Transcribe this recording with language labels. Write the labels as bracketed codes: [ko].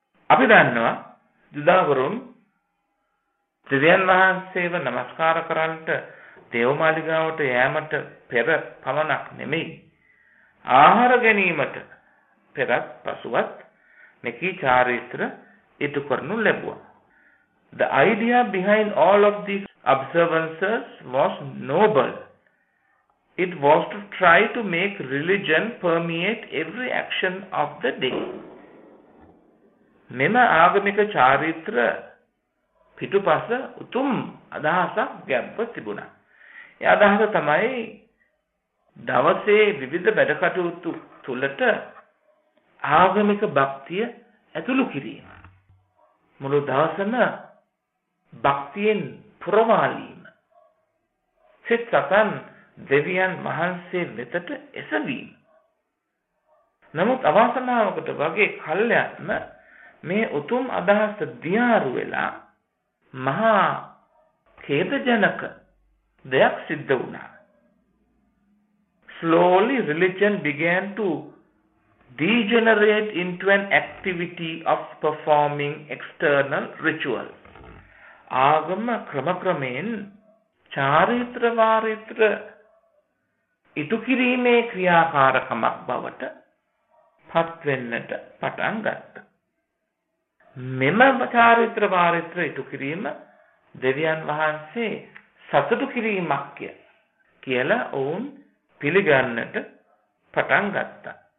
[si] අපි දන්නවා ජුදාවරුන් ත්‍රිවිධ වහන්සේව නමස්කාර කරන්නට දේව මාලිගාවට යෑමට පෙර පමණක් නෙමෙයි ආහාර ගැනීමට පෙරත් පසුවත් මෙකී චාරිත්‍ර ඉටු කරනු ලැබුවා. [en] The idea behind all of these observances was noble. It was to try to make religion permeate every action of the day. [si] මෙම ආගමික චාරිත්‍ර පිටුපස උතුම් අදහසක් ගැඹ තිබුණා. ඒ අදහස තමයි දවසේ විවිධ වැඩ කටයුතු තුළට ආගමික භක්තිය ඇතුළු කිරීම. මුළු දවසම භක්තියෙන් පුරවාලීම. සිත සතන් දෙවියන් වහන්සේ වෙතට එසවීම. නමුත් අවාසනාවකට වගේ කල්යත්ම මේ උතුම් අදහස දියාරු වෙලා මහා ඛේදජනක දෙයක් සිද්ධ වුණා. [en] Slowly religion began to degenerate into an activity of performing external ritual. [si] ආගම ක්‍රමක්‍රමයෙන් චාරිත්‍ර වාරිත්‍ර ඉටු කිරීමේ ක්‍රියාකාරකමක් බවට පත් වෙන්නට පටන් ගත්තා. මෙම චාරිත්‍ර වාරිත්‍ර ඉටු කිරීම දෙවියන් වහන්සේ සතුටු කිරීමක් කියලා ඔවුන් පිළිගන්නට පටන් ගත්තා.